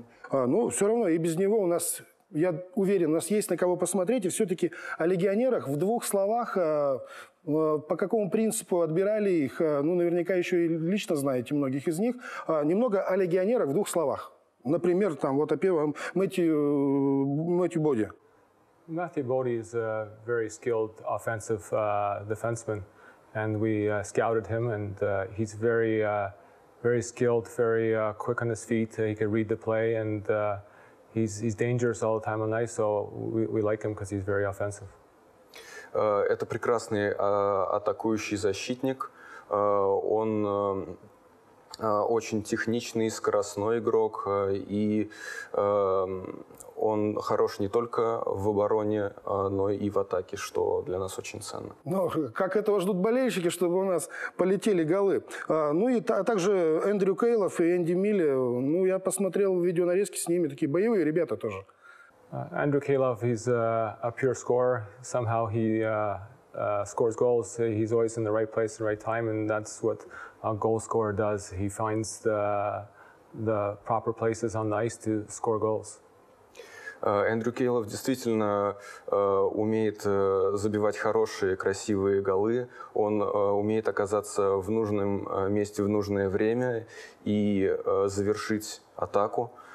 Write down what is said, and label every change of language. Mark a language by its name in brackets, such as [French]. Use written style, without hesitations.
[Russian] Все равно и без него у нас... Я уверен, у нас есть на кого посмотреть. И все-таки о легионерах в двух словах. По какому принципу отбирали их? Наверняка еще и лично знаете многих из них. Немного о легионерах в двух словах. Например, там вот о первом Мэтью Боди. [English] Мэтью Боди is a very skilled offensive defenseman, and we scouted him, and he's very, very skilled, very quick on his feet. He can read the play, and He's dangerous all the time on ice, so we like him because he's very offensive. [Russian] Это прекрасный атакующий защитник. Он очень техничный, скоростной игрок, и он хорош не только в обороне, но и в атаке, что для нас очень ценно. Ну, как этого ждут болельщики, чтобы у нас полетели голы. Также Эндрю Кейлов и Энди Милли. Я посмотрел видеонарезки с ними, такие боевые ребята тоже. [English] Эндрю Кейлов, he's a pure scorer. Somehow he scores goals. He's always in the right place and right time, and that's what a goal scorer does. He finds the proper places on the ice to score goals. [Russian] Эндрю Кейлов действительно умеет забивать хорошие, красивые голы. Он умеет оказаться в нужном месте в нужное время и завершить атаку.